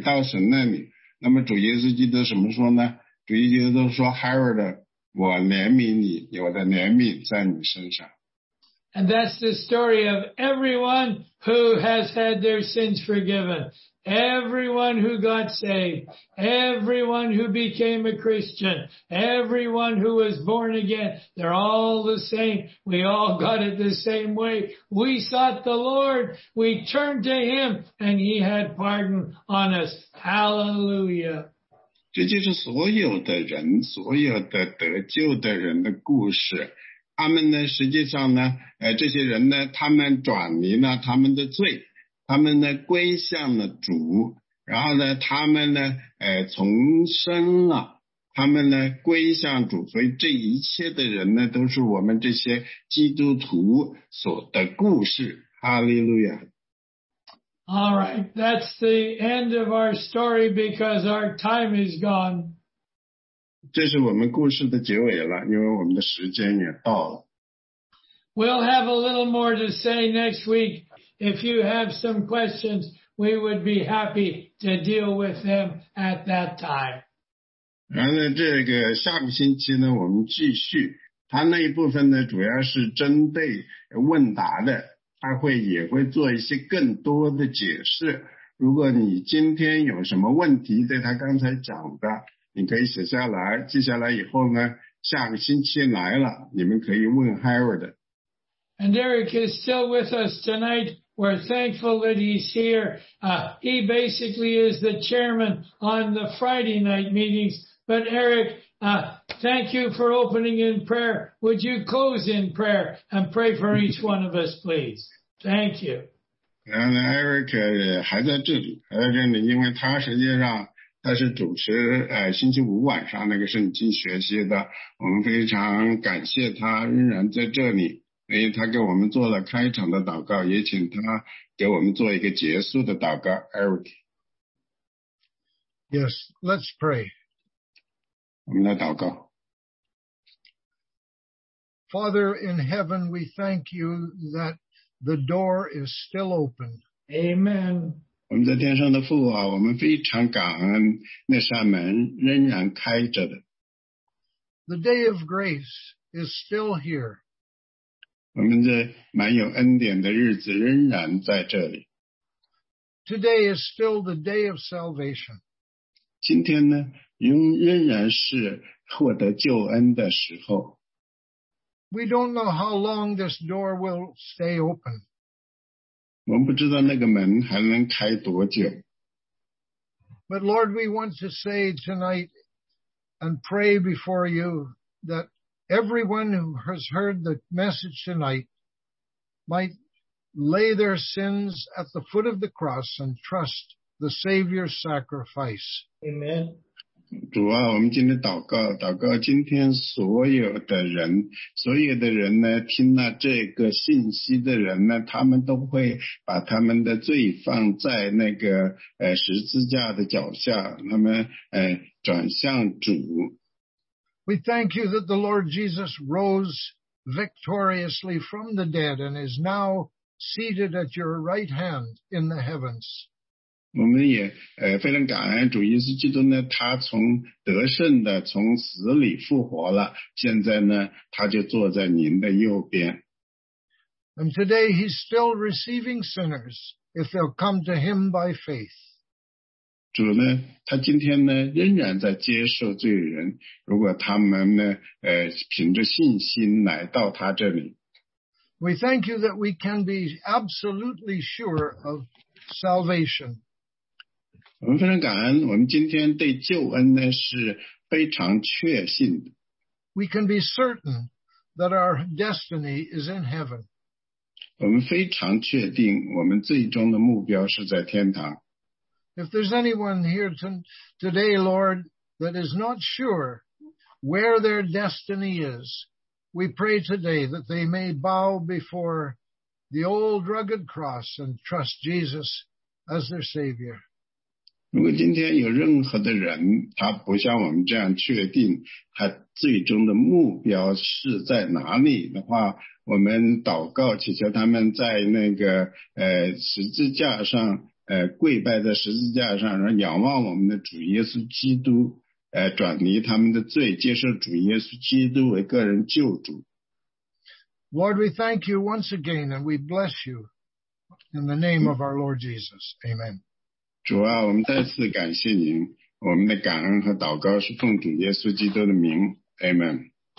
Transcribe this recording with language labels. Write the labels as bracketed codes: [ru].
[zh] 我趁那个神呢，可寻求的时候，我寻求他。我趁那个神呢，在我附近的时候，我求告他。我说主啊，我是个罪人，我不想待在那个宽路上，求你带领我，我也不想有那些肮脏的想法。然后呢，怎么办呢？我就离弃了那些道路，我归向了主，回到神那里。那么主耶稣基督怎么说呢？主耶稣说，Harold，我怜悯你，我的怜悯在你身上。 [en] And that's the story of everyone who has had their sins forgiven. Everyone who got saved. Everyone who became a Christian. Everyone who was born again. They're all the same. We all got it the same way. We sought the Lord. We turned to him. And he had pardon on us. Hallelujah. [zh] 这就是所有的人，所有的得救的人的故事。他们呢，实际上呢，这些人呢，他们转离了他们的罪，他们呢，归向了主，然后呢，他们呢，重生了，他们呢，归向主。所以这一切的人呢，都是我们这些基督徒所的故事。哈利路亚。 [en] All right, that's the end of our story because our time is gone. [zh] 这是我们故事的结尾了，因为我们的时间也到了。 [en] We'll have a little more to say next week. If you have some questions, we would be happy to deal with them at that time. [zh] 然后这个下个星期呢，我们继续。它那一部分呢，主要是针对问答的。他会也会做一些更多的解释。如果你今天有什么问题对他刚才讲的，你可以写下来，记下来以后呢，下个星期来了，你们可以问 Howard。 [en] And Eric is still with us tonight. We're thankful that he's here. He basically is the chairman on the Friday night meetings. But Eric, thank you for opening in prayer. Would you close in prayer and pray for each one of us, please? Thank you. [zh] And Eric 还在这里，还在这里，因为他实际上他是主持星期五晚上那个圣经学习的。我们非常感谢他仍然在这里，所以他给我们做了开场的祷告，也请他给我们做一个结束的祷告。 Eric. [en] Yes, let's pray. [zh] 我们来祷告。 [en] Father in heaven, we thank you that the door is still open. Amen. [zh] 我们在天上的父啊，我们非常感恩那扇门仍然开着的。 [en] The day of grace is still here. [zh] 我们这满有恩典的日子仍然在这里。 [en] Today is still the day of salvation. [zh] 今天呢？仍然是获得救恩的时候。 [en] We don't know how long this door will stay open. [zh] 我们不知道那个门还能开多久。 [en] But Lord, we want to say tonight and pray before you that everyone who has heard the message tonight might lay their sins at the foot of the cross and trust the Savior's sacrifice. Amen. [zh] 主啊，我们今天祷告，祷告今天所有的人，所有的人呢，听了这个信息的人呢，他们都会把他们的罪放在那个十字架的脚下，他们转向主。 [en] We thank you that the Lord Jesus rose victoriously from the dead and is now seated at your right hand in the heavens. [zh] 我们也非常感恩主耶稣基督呢，他从得胜的从死里复活了，现在呢他就坐在您的右边。 [en] And today he's still receiving sinners if they'll come to him by faith. [zh] 主呢，他今天呢仍然在接受罪人，如果他们呢凭着信心来到他这里。 [en] We thank you that we can be absolutely sure of salvation. [zh] 我们非常感恩，我们今天对救恩呢是非常确信的。 [en] We can be certain that our destiny is in heaven. [zh] 我们非常确定，我们最终的目标是在天堂。 [en] If there's anyone here today, Lord, that is not sure where their destiny is, we pray today that they may bow before the old rugged cross and trust Jesus as their Savior. [zh] 如果今天有任何的人他不像我们这样确定他最终的目标是在哪里的话，我们祷告祈求他们在那个十字架上跪拜在十字架上，然后仰望我们的主耶稣基督转离他们的罪，接受主耶稣基督为个人救主。 [en] Lord, we thank you once again and we bless you in the name of our Lord Jesus. Amen. [zh] 主啊，我们再次感谢您，我们的感恩和祷告是奉主耶稣基督的名 ，Amen。